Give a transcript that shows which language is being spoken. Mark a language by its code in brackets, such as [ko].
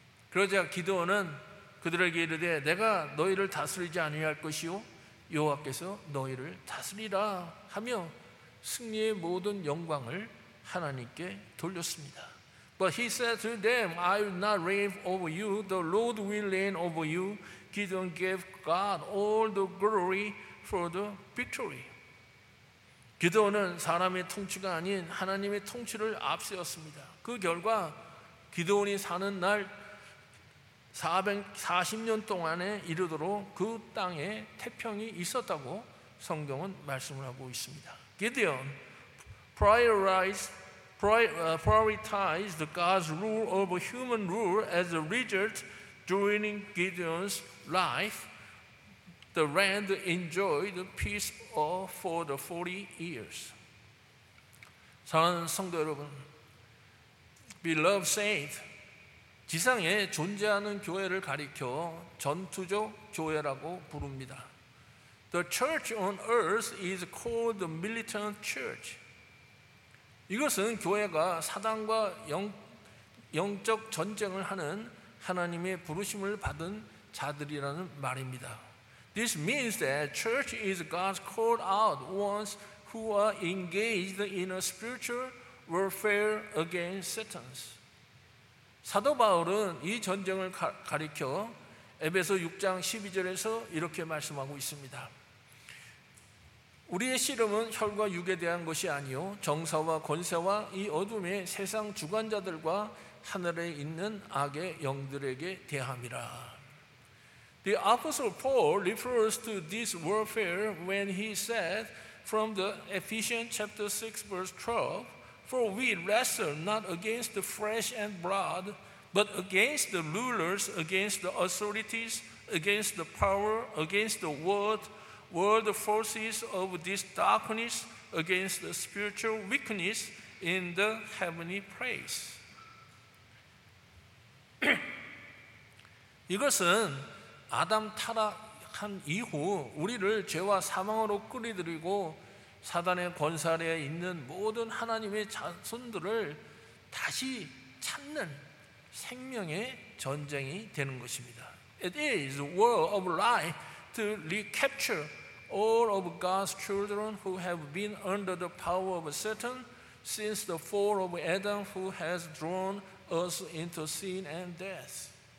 [ko] 그러자 기드온은 그들에게 이르되 내가 너희를 다스리지 아니할 것이요 여호와께서 너희를 다스리라 하며 승리의 모든 영광을 하나님께 돌렸습니다. [en] But he said to them, I will not reign over you. The Lord will reign over you. Gideon gave God all the glory for the victory. [ko] 기드온은 사람의 통치가 아닌 하나님의 통치를 앞세웠습니다. 그 결과 기드온이 사는 날 440년 동안에 이르도록 그 땅에 태평이 있었다고 성경은 말씀을 하고 있습니다. [en] Gideon prioritized God's rule over human rule. As a result, during Gideon's life, the land enjoyed peace for the 40 years. [ko] 사랑하는 성도 여러분, [en] beloved saint, [ko] 지상에 존재하는 교회를 가리켜 전투적 교회라고 부릅니다. [en] The church on earth is called the militant church. [ko] 이것은 교회가 사단과 영적 전쟁을 하는 하나님의 부르심을 받은 자들이라는 말입니다. [en] This means that church is God's called out ones who are engaged in a spiritual warfare against Satan. [ko] 사도 바울은 이 전쟁을 가리켜 에베소 6장 12절에서 이렇게 말씀하고 있습니다. 우리의 씨름은 혈과 육에 대한 것이 아니요 정사와 권세와 이 어둠의 세상 주관자들과 하늘에 있는 악의 영들에게 대함이라. [en] The apostle Paul refers to this warfare when he said from the Ephesians chapter 6 verse 12, For we wrestle not against the flesh and blood, but against the rulers, against the authorities, against the power, against the world forces of this darkness, against the spiritual wickedness in the heavenly place. [ko] 이것은 아담 타락한 이후 우리를 죄와 사망으로 끌어들이고 사단의 권세에 있는 모든 하나님의 자손들을 다시 찾는 생명의 전쟁이 되는 것입니다. [en] It is the will of life to recapture all of God's children who have been under the power of Satan since the fall of Adam, who has drawn us into sin and death.